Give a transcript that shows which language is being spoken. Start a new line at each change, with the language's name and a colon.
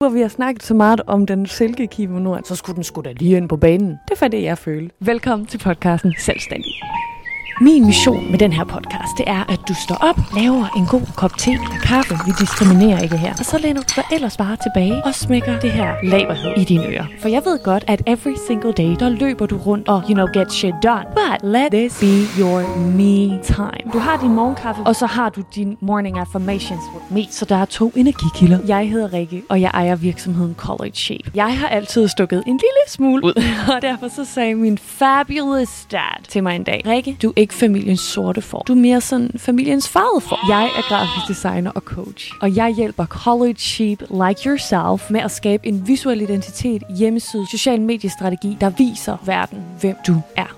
Danish: Hvor vi har snakket så meget om den silkekimono, så skulle den sgu da lige ind på banen. Det er det, jeg føler. Velkommen til podcasten Selvstændig. Min mission med den her podcast, det er, at du står op, laver en god kop te og kaffe. Vi diskriminerer ikke her. Og så læner du dig ellers bare tilbage og smækker det her laberhed i dine ører. For jeg ved godt, at
English: every single day,
Danish: der løber du rundt og,
English: you know, get shit done. But let this be your me time.
Danish: Du har din morgenkaffe, og så har du din
English: morning affirmations with me.
Danish: Så der er to energikilder. Jeg hedder Rikke, og jeg ejer virksomheden College Shape. Jeg har altid stukket en lille smule ud. Og derfor så sagde min
English: fabulous dad
Danish: til mig en dag, Rikke, du ikke familiens sorte får. Du er mere sådan familiens farvede får. Jeg er grafisk designer og coach, og jeg hjælper college sheep
English: like yourself
Danish: med at skabe en visuel identitet, hjemmeside, social mediestrategi, der viser verden, hvem du er.